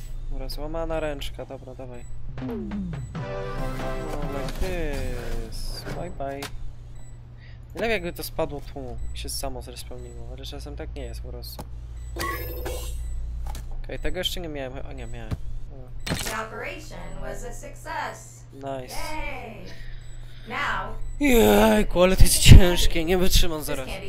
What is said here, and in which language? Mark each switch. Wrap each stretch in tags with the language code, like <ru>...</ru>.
<pl>Dobra, złamana ręczka, dobra, dawaj. No lekys, bye bye. Nie wiem, jakby to spadło tłum i się samo zrespełniło, ale czasem tak nie jest po prostu. Okej, tego jeszcze nie miałem, o nie, miałem.</pl> <en>The operation was a success. Nice. Yay. Now.</en> <pl>Jajku, ale to jest ciężkie, nie wytrzymam zaraz.</pl>